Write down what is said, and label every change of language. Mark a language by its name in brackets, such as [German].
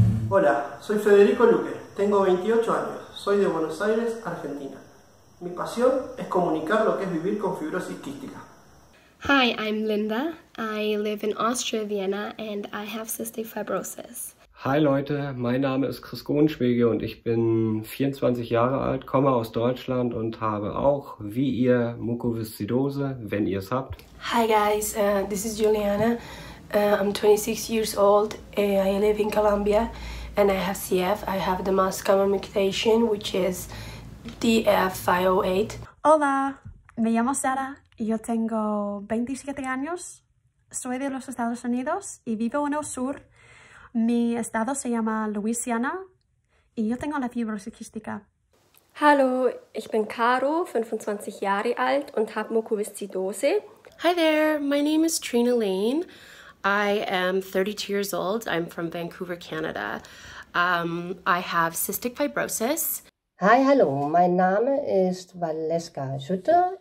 [Spanish] Hola, soy Federico Luque, tengo 28 años, soy de Buenos Aires, Argentina. Mi pasión es comunicar lo que es vivir con fibrosis quística. [English] Hi, I'm Linda. I live in Austria, Vienna, and I have cystic fibrosis. [German] Hi Leute, mein Name ist Chris Gohnschwege und ich bin 24 Jahre alt, komme aus Deutschland und habe auch, wie ihr, Mukoviszidose, wenn ihr es habt. [English] Hi guys, this is Juliana. I'm 26 years old. I live in Colombia and I have CF. I have the most common mutation, which is DF508. [Spanish] Hola, me llamo Sara. Yo tengo 27 años. Soy de los Estados Unidos y vivo en el sur. Mi estado se llama Luisiana y yo tengo la fibrosis [German] Hallo, ich bin Caro, 25 Jahre alt und habe Mukoviszidose. [English] Hi there, my name is Trina Lane. I am 32 years old. I'm from Vancouver, Canada. I have cystic fibrosis. [German] Hi, hallo, mein Name ist Valeska Schütte.